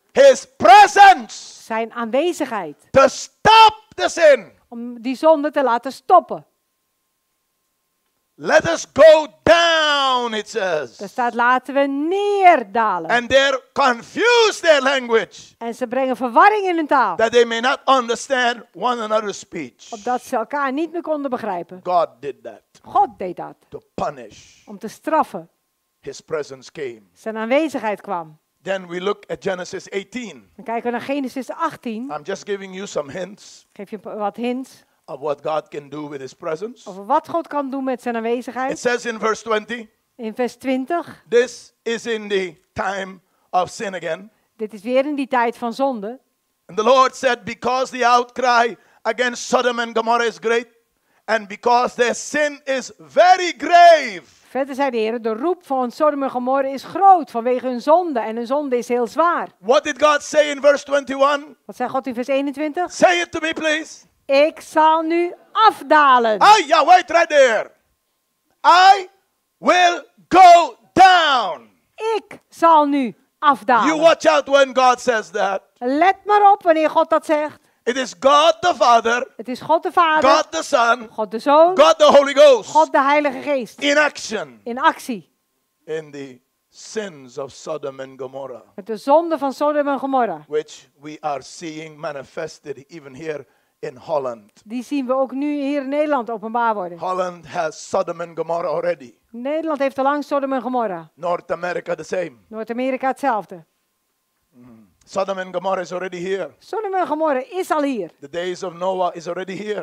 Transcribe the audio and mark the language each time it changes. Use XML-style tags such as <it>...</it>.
<en>His presence.</en> <nl>Zijn aanwezigheid.</nl> <en>To stop the sin.</en> <nl>Om die zonde te laten stoppen.</nl> <en>Let us go down, it says.</en> <nl>Er staat, laten we neerdalen.</nl> <en>And they confuse their language.</en> <nl>En ze brengen verwarring in hun taal.</nl> <en>That they may not understand one another's speech.</en> <nl>Opdat ze elkaar niet meer konden begrijpen.</nl> <en>God did that.</en> <nl>God deed dat.</nl> <en>To punish.</en> <nl>Om te straffen.</nl> <en>His presence came.</en> <nl>Zijn aanwezigheid kwam.</nl> <en>Then we look at Genesis 18.</en> <nl>Dan kijken we naar Genesis 18.</nl> <en>I'm just giving you some hints.</en> <nl>Geef je wat hints.</nl> <en>Of what God can do with his presence.</en> <nl>Over wat God kan doen met zijn aanwezigheid.</nl> <en>It says in verse 20.</en> <nl>In vers 20.</nl> <en>This is in the time of sin again.</en> <nl>Dit is weer in die tijd van zonde.</nl> <en>And the Lord said, because the outcry against Sodom and Gomorrah is great. And because their sin is very grave.</en> <nl>Verder zei de Heer, de roep van Sodom en Gomorra is groot vanwege hun zonde. En hun zonde is heel zwaar.</nl> <en>What did God say in verse 21?</en> <nl>Wat zei God in vers 21?</nl> <en>Say it to me, please.</en> <nl>Ik zal nu afdalen.</nl> <en>Ah ja, wait right there. I will go down.</en> <nl>Ik zal nu afdalen.</nl> <en>You watch out when God says that.</en> <nl>Let maar op wanneer God dat zegt.</nl> <en>It is God the Father.</en> <nl>Het is God de Vader.</nl> <en>God the Son.</en> <nl>God de Zoon.</nl> <en>God the Holy Ghost.</en> <nl>God de Heilige Geest.</nl> <en>In action.</en> <nl>In actie.</nl> <en>In the sins of Sodom and Gomorrah.</en> <nl>Met de zonde van Sodom en Gomorra.</nl> <en>Which we are seeing manifested even here in Holland.</en> <nl>Die zien we ook nu hier in Nederland openbaar worden.</nl> <en>Holland has Sodom and Gomorrah already.</en> <nl>Nederland heeft al lang Sodom en Gomorra.</nl> <en>Noord-Amerika the same.</en> <nl>Noord-Amerika hetzelfde.</nl> <en>Sodom and Gomorrah is already here.</en> <nl>Sodom en Gomorra is al hier.</nl> <en>The days of Noah is already here.</en>